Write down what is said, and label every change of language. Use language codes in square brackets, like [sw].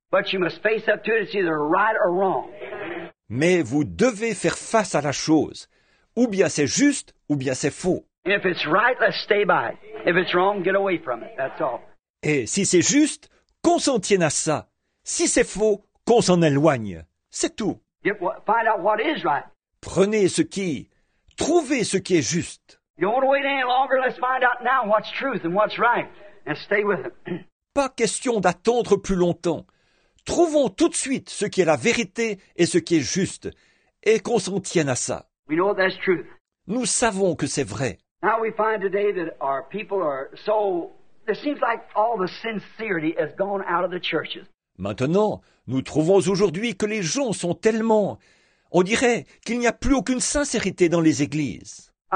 [en] But you must face up to it, it's either right or wrong. [fr] Mais vous devez faire face à la chose. Ou bien c'est juste, ou bien c'est faux. If it's right, let's stay by it. If it's wrong, get away from it, that's all. Et si c'est juste, qu'on s'en tienne à ça. Si c'est faux, qu'on s'en éloigne. C'est tout. [en] Find out what is right. [fr] Prenez ce qui... Trouvez ce qui est juste. [en] Don't wait any longer, let's find out now what's truth and what's right. And stay with it. [fr] Pas question d'attendre plus longtemps. Trouvons tout de suite ce qui est la vérité et ce qui est juste, et qu'on s'en tienne à ça. [en] We know that's truth. [fr] Nous savons que c'est vrai. [en] Now we find today that our people are so... It seems like all the sincerity has gone out of the churches. [fr] Maintenant, nous trouvons aujourd'hui que les gens sont tellement... On dirait qu'il n'y a plus aucune sincérité dans les églises.